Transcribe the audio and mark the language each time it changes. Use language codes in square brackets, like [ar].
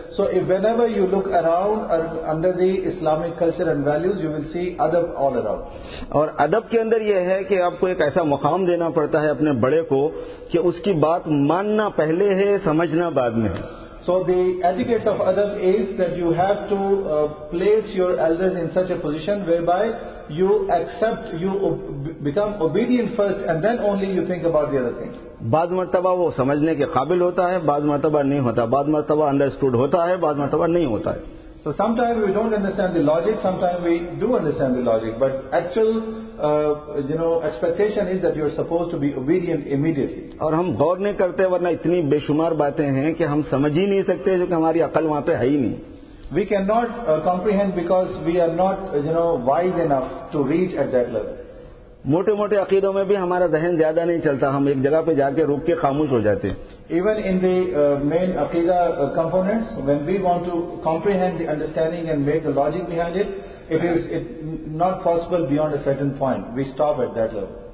[en] So if when ever you look around under the Islamic culture and values, you will سی ادب all around. [ur] اور ادب کے اندر یہ ہے کہ آپ کو ایک ایسا مقام دینا پڑتا ہے اپنے بڑے کو کہ اس کی بات ماننا پہلے ہے, سمجھنا بعد میں. [en] So the etiquette of adab is that you have to place your elders in such a position whereby you accept, you become obedient first and then only you think about the other things. [ur] بعض مرتبہ وہ سمجھنے کے قابل ہوتا ہے, بعض مرتبہ نہیں ہوتا, بعض مرتبہ understood ہوتا ہے, بعض مرتبہ نہیں ہوتا ہے. [en] So sometimes we don't understand the logic, sometimes we do understand the logic, but actual you know, expectation is that you are supposed to be obedient immediately. [ur] اور ہم غور نہیں کرتے, ورنہ اتنی بے شمار باتیں ہیں کہ ہم سمجھ ہی نہیں سکتے, جو کہ ہماری عقل وہاں پہ ہے ہی نہیں. [en] We cannot comprehend because we are not, you know, wise enough to reach at that level. [ur] موٹے موٹے عقیدوں میں بھی ہمارا ذہن زیادہ نہیں چلتا, ہم ایک جگہ پہ جا کے رک کے خاموش ہو جاتے ہیں. [en] Even in the main عقیدہ components, when we want to comprehend the understanding and make the logic behind it, it is not possible beyond a certain point, we stop at that level.